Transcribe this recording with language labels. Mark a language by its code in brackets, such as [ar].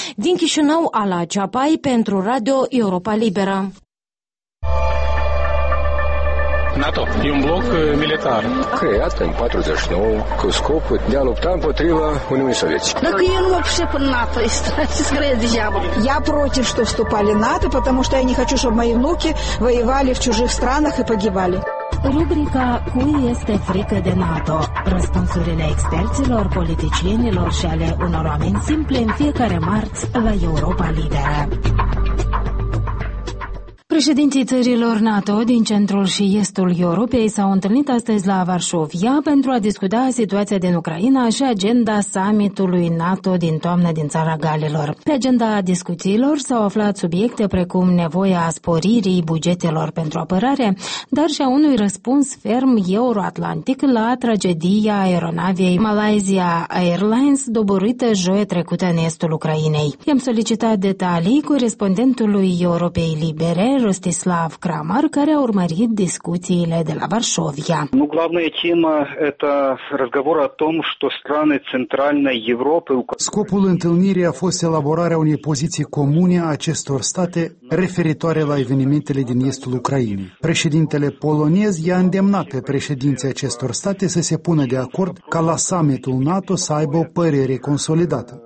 [ro] Din Chișinău, Ala Ceapai pentru Radio Europa Liberă. NATO e un bloc militar creat în 49 cu scopul de a lupta împotriva Uniunii Sovietice. Dacă eu nu mă pricep în NATO, este greu de iau. [ru] Я против, что вступали в НАТО, потому что я не хочу, чтобы мои внуки воевали в чужих странах и погибали. [ro] Rubrica Cui este frică de NATO? Răspunsurile experților, politicienilor și ale unor oameni simple în fiecare marți la Europa Liberă. Președinții țărilor NATO din centrul și estul Europei s-au întâlnit astăzi la Varșovia pentru a discuta situația din Ucraina și agenda summitului NATO din toamnă din Țara Galilor. Pe agenda discuțiilor s-au aflat subiecte precum nevoia sporirii bugetelor pentru apărare, dar și a unui răspuns ferm euroatlantic la tragedia aeronavei Malaysia Airlines doborâtă joia trecută în estul Ucrainei. I-am solicitat detalii corespondentului Europei Libere, Ростислав Крамар, care a urmărit discuțiile de la Varșovia. [ru] Ну, главная тема это разговор о том, что страны центральной Европы. [ro] Scopul întâlnirii a fost elaborarea unei poziții comune a acestor state referitoare la evenimentele din estul Ucrainei. Președintele polonez i-a îndemnat pe președinții acestor state să se pună de acord ca la summitul NATO să aibă o părere consolidată.